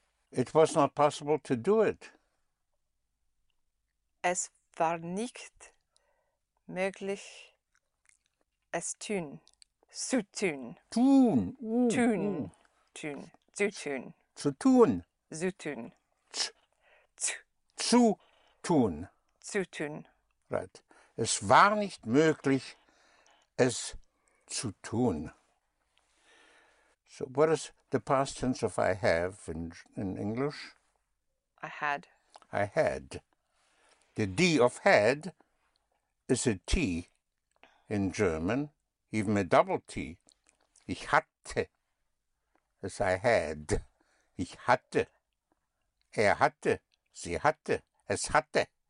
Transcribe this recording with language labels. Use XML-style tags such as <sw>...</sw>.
<en>It was not possible to do it.</en> <de>Es war nicht möglich, es tun, zu tun. Tun. Tun. Tun. Zu tun. Zu tun. Zu tun. Zu tun. Zu tun.</de> <en>Right.</en> <de>Es war nicht möglich, es zu tun.</de> <en>So what is the past tense of I have in English? I had. I had. The D of had is a T in German, even a double T.</en> <de>Ich hatte</de> <en>is I had.</en> <de>Ich hatte. Er hatte. Sie hatte. Es hatte.</de>